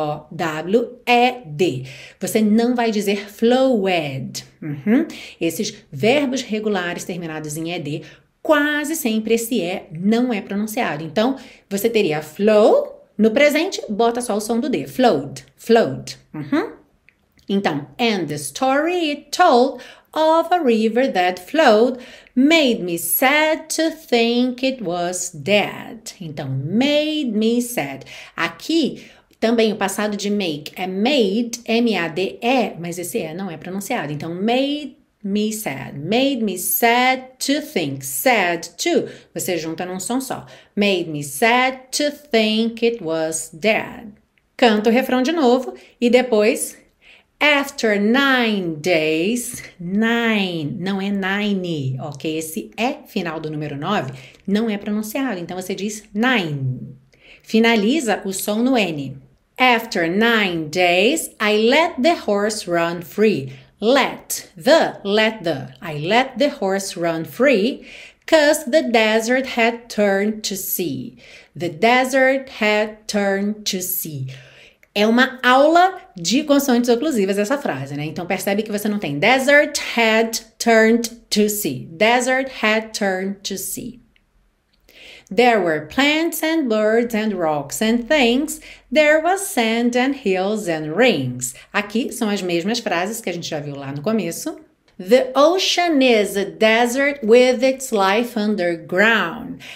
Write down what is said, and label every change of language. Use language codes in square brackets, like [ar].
[pt] Flowed. Você não vai dizer flowed. Esses verbos regulares terminados em ed, quase sempre esse E não é pronunciado. Então, você teria flow no presente, bota só o som do D. [en] Flowed, flowed. Então, and the story it told of a river that flowed made me sad to think it was dead. Então, made me sad. [pt] Aqui, também o passado de make é made, M-A-D-E, mas esse E não é pronunciado. [en] Então, made me sad to think, sad to, [pt] você junta num som só, [en] made me sad to think it was dead. [pt] Canta o refrão de novo e depois, [en] after 9 days, [pt] nine, não é nine, ok? Esse é final do número 9, não é pronunciado, então você diz nine, finaliza o som no N. [en] After 9 days, I let the horse run free. I let the horse run free, 'cause the desert had turned to sea. The desert had turned to sea. [pt] É uma aula de consoantes oclusivas essa frase, né? Então percebe que você não tem [en] desert had turned to sea. Desert had turned to sea. There were plants and birds and rocks and things. There was sand and hills and rings. [pt] Aqui são as mesmas frases que a gente já viu lá no começo. [en] The ocean is a desert with its life underground.